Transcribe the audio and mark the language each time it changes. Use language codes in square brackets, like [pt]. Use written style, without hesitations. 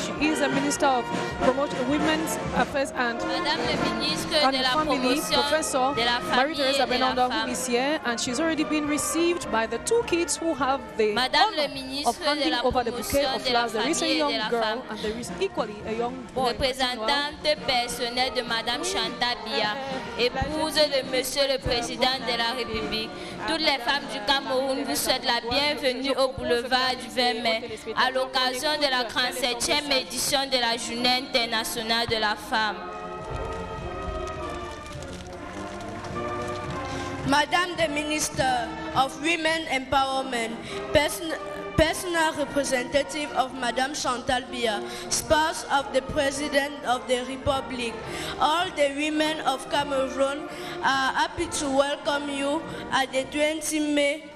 [en] She is a Minister of Women's Affairs and Family, Professor Marie-Thérèse Abinanda, who is here. And she's already been received by the two kids who have the honor of handing over the bouquet of flowers. There is a young girl and there is equally a young boy. [fr] Representante personnelle de Madame Chantal Biya, épouse de Monsieur le Président de la République. Toutes les femmes du Cameroun vous souhaitent la bienvenue au boulevard du 20 mai à l'occasion de la 37e édition de la Journée internationale de la femme. [en] Madame the Minister of Women Empowerment, personal representative of Madame Chantal Biya, spouse of the President of the Republic. All the women of Cameroon are happy to welcome you at the 20 May